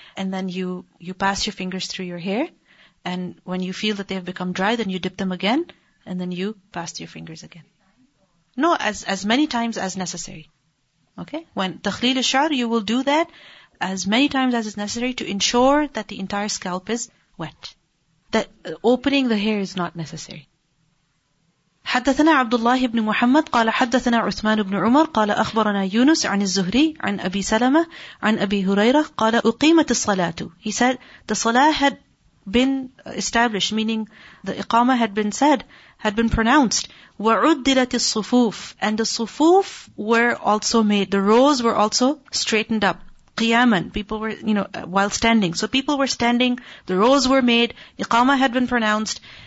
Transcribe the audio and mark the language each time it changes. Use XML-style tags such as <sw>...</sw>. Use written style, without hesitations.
<en>And then you pass your fingers through your hair. And when you feel that they have become dry, then you dip them again. And then you pass your fingers again. No, as many times as necessary. Okay? When takhleel ash-sha'r, you will do that as many times as is necessary to ensure that the entire scalp is wet. That opening the hair is not necessary.</en> <ar>حدثنا عبد الله بن محمد قال حدثنا عثمان بن عمر قال أخبرنا يونس عن الزهري عن أبي سلمة عن أبي هريرة قال أقيمت الصلاة.</ar> <en>He said the salah had been established, meaning the iqama had been said, had been pronounced.</en> <ar>وعدلت الصفوف,</ar> <en>and the صفوف were also made, the rows were also straightened up. قياماً, people were, you know, while standing. So people were standing, the rows were made, iqama had been pronounced.</en>